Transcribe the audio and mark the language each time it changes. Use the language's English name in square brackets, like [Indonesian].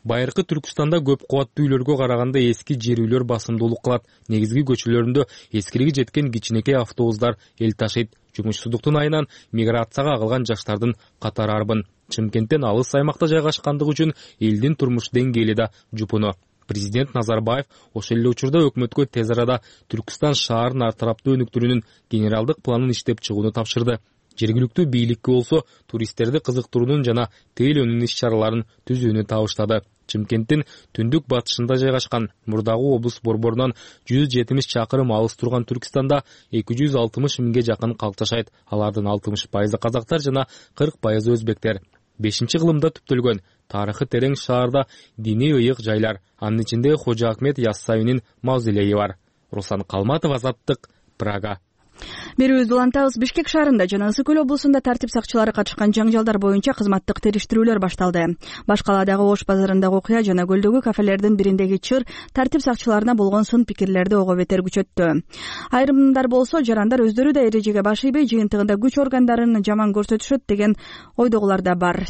[Kazakh] Байырғы Түркістанда көп қуатты үйлерге қарағанда ескі жер үйлер басымдылық қылады. Негізгі көшелерінде ескіге жеткен кішкентай автобустар ел ташиды. Жұмыссыздықтың айынан миграцияға ағылған жастардың қатары арбын. Шымкенттен алыс аймақта жайғасқандығы үшін елдің тұрмыс деңгейі де жұпыны. [Kyrgyz] Президент Назарбаев осы эле учурда өкмөткө тез арада Түркістан шаарын ар тараптуу өнүктүрүүнүн генералдык планын иштеп чыгууну тапшырды. Жергиликтүү бийликке болсо туристтерди кызыктыруунун жана тейл өнүн иш чараларын түзүүнү табыштады. Шымкенттин түндүк батышында жайгашкан мурдагы облус борборунан 170 чакырым алыс турган Түркістанда 260 миңге жакын калк жашайт. Алардын 60% казактар жана 40% өзбектер. 5-чи кылымда түптөлгөн тарыхы терең шаарда диний ыйык жайлар, анын ичинде Хожа Ахмет Яссауинин мавзолейи бар. Руслан Калматов, Азаттык, Прага. Берүүбүз улантабыз. Бишкек шаарында жана Ысык Көл облусунда тартип сакчылары катышкан жаңжалдар боюнча кызматтык териштирүүлөр башталды. Баш калаадагы Ош базарындагы окуя жана көлдөгү кафелердин бириндеги чыр тартип сакчыларына болгон сын пикирлерди ого бетер күчөттү. Айрымдар болсо жарандар өздөрү да эрежеге баш ийбей жыйынтыгында күч органдарын жаман көрсөтүшөт деген ойдогулар да бар.